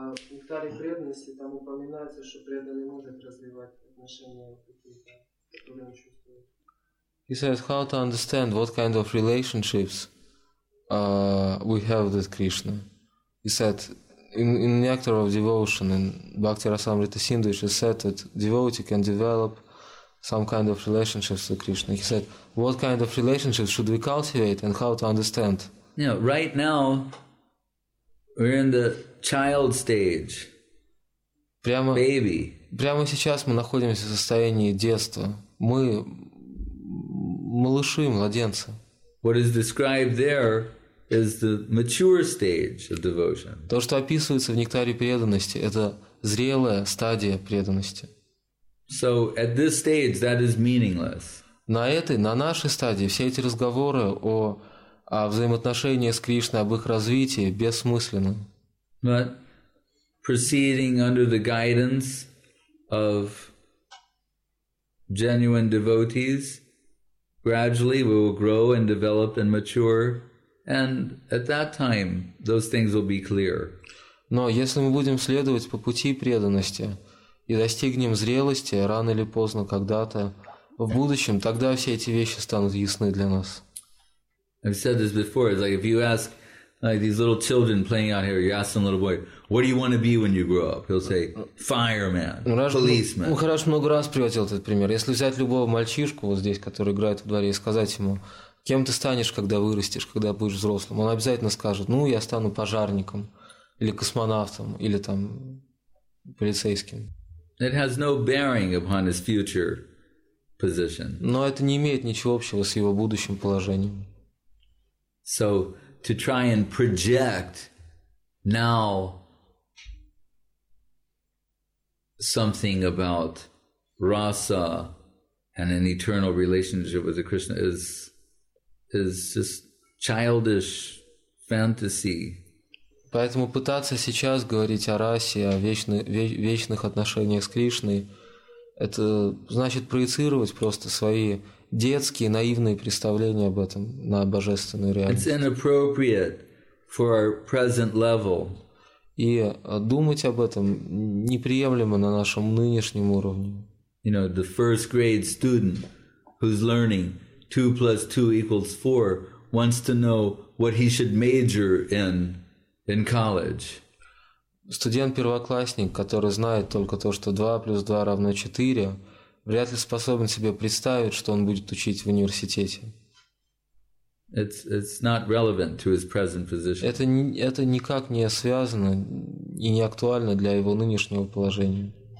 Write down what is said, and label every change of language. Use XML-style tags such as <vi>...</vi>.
<ru>В нектаре преданности там упоминается, что преданный может развивать отношения какие-то, которые он чувствует.</ru> <en>He says, how to understand what kind of relationships we have with Krishna. He said, in nectar of devotion, in Bhakti Rasamrita Sindhu, said that devotee can develop some kind of relationships with Krishna. He said, what kind of relationships should we cultivate and how to understand? You know, right now, we're in the child stage.</en> <ru>Прямо,</ru> <en>baby.</en> <ru>Прямо сейчас мы находимся в состоянии детства. Мы малыши, младенцы.</ru> <en>What is described there is the mature stage of devotion.</en> <ru>То, что описывается в нектаре преданности, это зрелая стадия преданности.</ru> <en>So at this stage that is meaningless.</en> <ru>На этой, на нашей стадии все эти разговоры о а взаимоотношения с Кришной, об их развитии бессмысленны.</ru> <en>But proceeding under the guidance of genuine devotees, gradually we will grow and develop and mature, and at that time those things will be clear.</en> <ru>Но если мы будем следовать по пути преданности и достигнем зрелости рано или поздно, когда-то в будущем, тогда все эти вещи станут ясны для нас.</ru> <en>I've said this before. It's like if you ask like these little children playing out here, you ask some little boy, "What do you want to be when you grow up?" He'll say, "Fireman, policeman."</en> <ru>Мы хорошо много раз приводил этот пример. Если взять любого мальчишку вот здесь, который играет во дворе, и сказать ему, кем ты станешь, когда вырастешь, когда будешь взрослым, он обязательно скажет: "Ну, я стану пожарником или космонавтом или там полицейским."</ru> <en>It has no bearing upon his future position.</en> <ru>Но это не имеет ничего общего с его будущим положением.</ru> <en>So to try and project now something about rasa and an eternal relationship with the Krishna is just childish fantasy.</en> <ru>Поэтому пытаться сейчас говорить о расе, о вечных отношениях с Кришной, это значит проецировать просто свои детские наивные представления об этом на божественную реальность.</ru> <en>It's inappropriate for our present level.</en> <ru>И думать об этом неприемлемо на нашем нынешнем уровне.</ru> <en>You know, the first grade student who's learning 2 plus 2 equals 4 wants to know what he should major in college.</en> <ru>Студент-первоклассник, который знает только то, что 2 плюс 2 равно 4, вряд ли способен себе представить, что он будет учить в университете.</ru> <en>It's not relevant to his present position.</en> <ru>Это никак не связано и не актуально для его нынешнего положения.</ru>